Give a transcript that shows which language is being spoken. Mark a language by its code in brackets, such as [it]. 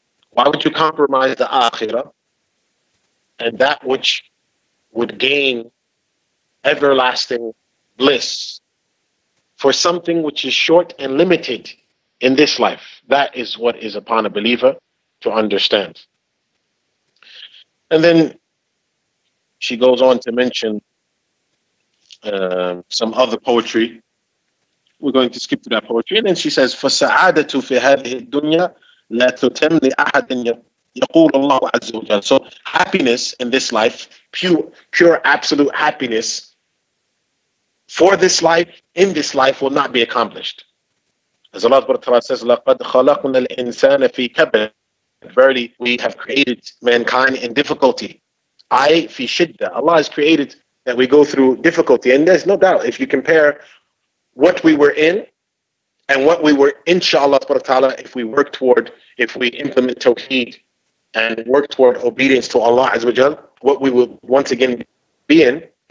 [en] Why would you compromise the Akhirah and that which would gain everlasting bliss for something which is short and limited in this life? That is what is upon a believer to understand. And then she goes on to mention some other poetry. We're going to skip to that poetry. And then she says, [ar] فَسَعَادَةُ فِي هَذِهِ الدُّنْيَا لَا تُتَمْ لِأَحَدٍ يَقُولُ اللَّهُ عَزَّ وَجَلَّ. [en] So happiness in this life, pure absolute happiness for this life, in this life, will not be accomplished. As Allah says, [ar] لَقَدْ خَلَقْنَا الْإِنسَانَ فِي كَبْرٍ. [en] Verily, we have created mankind in difficulty. I fi shidda. Allah has created that we go through difficulty. And there's no doubt, if you compare what we were in and what we were, inshallah, if we work toward, if we implement tawheed and work toward obedience to Allah Azza wa Jal, what we will once again be in.